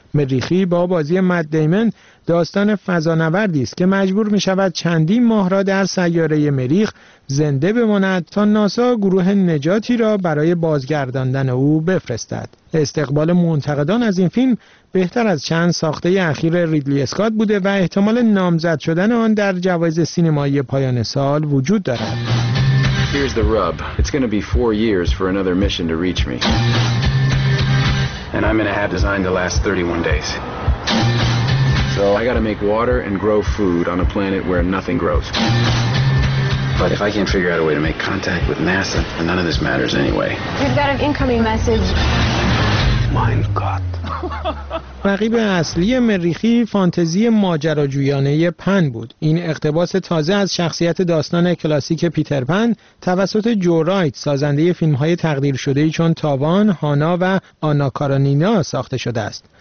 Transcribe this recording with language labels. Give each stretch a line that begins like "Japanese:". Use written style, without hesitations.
Persian: مریخی با بازی مت دیمن داستان فضانوردی است که مجبور می شود چندین ماه را در سیاره مریخ زنده بماند تا ناسا گروه نجاتی را برای بازگرداندن او بفرستد. استقبال منتقدان از این فیلم بهتر از چند ساخته اخیر ریدلی اسکات بوده و احتمال نامزد شدن آن در جوایز سینمایی پایان سال وجود دارد.
English: Here's the rub. It's going to be 4 years for another mission to reach me. And I'm going to have design to last 31 days. So I got to make water and grow food on a planet where nothing grows. But if I can't figure out a way to make contact with NASA, then none of this matters anyway. We've got an incoming message.
German: Mein Gott.
Persian: رقیب اصلی مریخی فانتزی ماجراجویانه پن بود. این اقتباس تازه از شخصیت داستان کلاسیک پیتر پن توسط جو رایت، سازنده فیلم‌های تقدیر شده چون تاوان، هانا و آنا کارانینا ساخته شده است.